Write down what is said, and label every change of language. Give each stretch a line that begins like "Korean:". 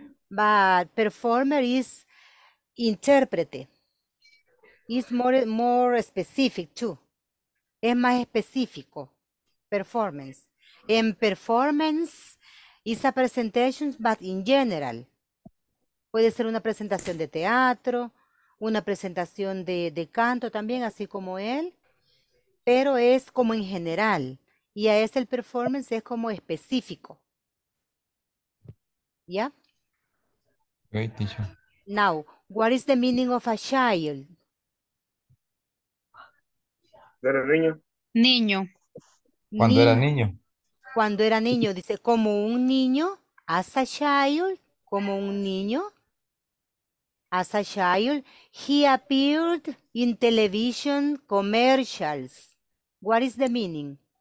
English: But performer is intérprete. It's more specific too.
Spanish: Es más específico.
English: Performance. In performance is a presentation, but in general.
Spanish: Puede ser una presentación de teatro, una presentación de canto también, así como él. Pero es como en general. Y a ese el performance es como específico. ¿Ya?
English: Great teacher. Now, what is the meaning of a child?
Spanish: Era niño. Niño. Cuando era niño. Cuando era niño, dice, como un niño,
English: as a child,
Spanish: como un niño, as a child,
English: he appeared in television commercials. What is the meaning?